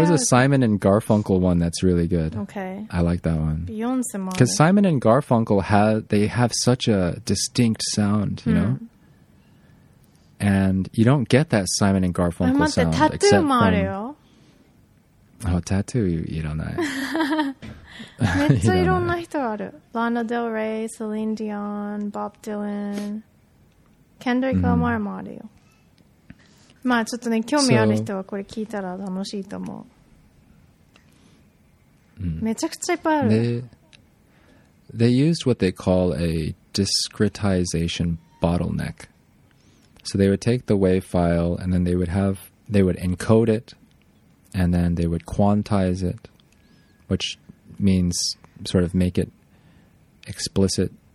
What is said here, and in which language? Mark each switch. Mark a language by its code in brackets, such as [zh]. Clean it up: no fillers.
[en] Oh, there was a Simon and Garfunkel one that's really good. Okay. I like that one. Beyonce one. Because Simon and Garfunkel have such a distinct sound, you know? And you don't get that Simon and Garfunkel sound except from... [ja] あ、タトゥーいらない。めっちゃいろんな人ある。ラナ・デル・レイ、セリーン・ディオン、ボブ・ディラン、ケンドリック・ラマーもあるよ。まあちょっとね、興味ある人はこれ聞いたら楽しいと思う。めちゃくちゃいっぱいある。 [en] They used what they call a discretization bottleneck. So they would take the WAV file and then they would encode it and then they would quantize it, which means sort of make it explicit.